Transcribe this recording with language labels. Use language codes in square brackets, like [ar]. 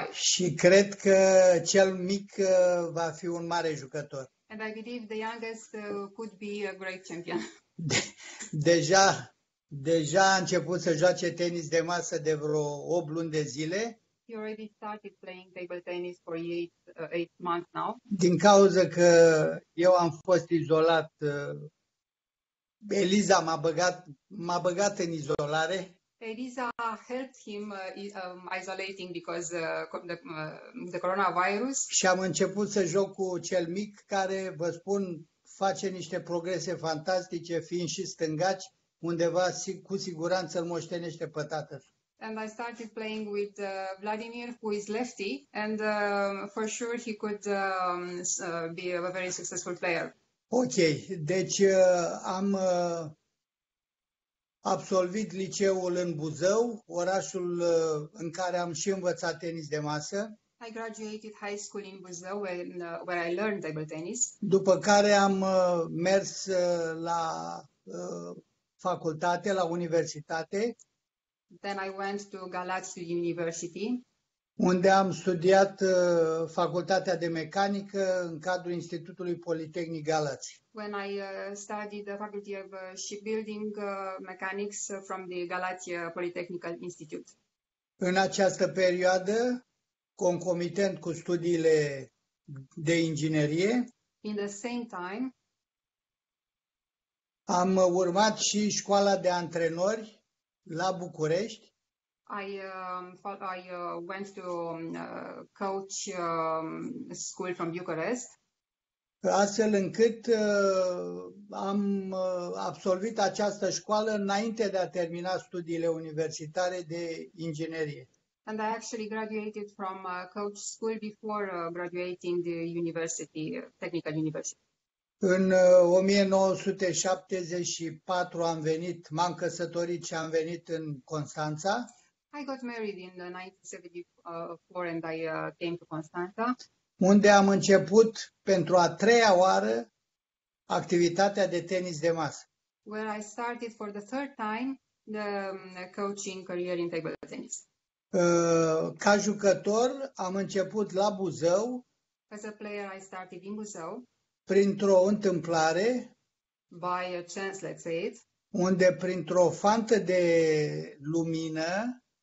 [ro] Și cred că cel mic va fi un mare jucător. [en] And I believe the youngest could be a great champion. [ro] Deja a început să joace tenis de masă de vreo 8 luni de zile. [en] He already started playing table tennis for 8 months now. [ro] Din cauza că eu am fost izolat, Eliza m-a băgat în izolare. [en] Eliza helped him isolating because the coronavirus. [ro] Și am început să joc cu cel mic, care, vă spun, face niște progrese fantastice, fiind și stângaci, undeva cu siguranță îl moștenește pe tatăl. [en] And I started playing with Vladimir, who is lefty, and for sure he could be a very successful player. [ro] Ok, deci am absolvit liceul în Buzău, orașul în care am și învățat tenis de masă. [en] I graduated high school in Buzău, where I learned table tennis. [ro] După care am mers la facultate, la universitate. [en] Then I went to Galați University, [ro] unde am studiat facultatea de mecanică în cadrul Institutului Politehnic Galați. [en] When I studied the Faculty of Shipbuilding Mechanics from the Galați Polytechnical Institute. [ro] În această perioadă, concomitent cu studiile de inginerie, [en] in the same time, [ro] am urmat și școala de antrenori la București. [en] I went to coach school from Bucharest. [ro] Astfel încât am absolvit această școală înainte de a termina studiile universitare de inginerie. [en] And I actually graduated from coach school before graduating the university, technical university. [ro] În 1974 m-am căsătorit și am venit în Constanța. [en] I got married in 1974 and I came to Constanța. [ro] Unde am început pentru a treia oară activitatea de tenis de masă. [en] Where I started for the third time the coaching career in table tennis. [ro] Ca jucător am început la Buzău. [en] As a player I started in Buzău. [ro] Printr-o întâmplare, [en] by a chance, let's say it, [ro] unde printr-o fantă de lumină,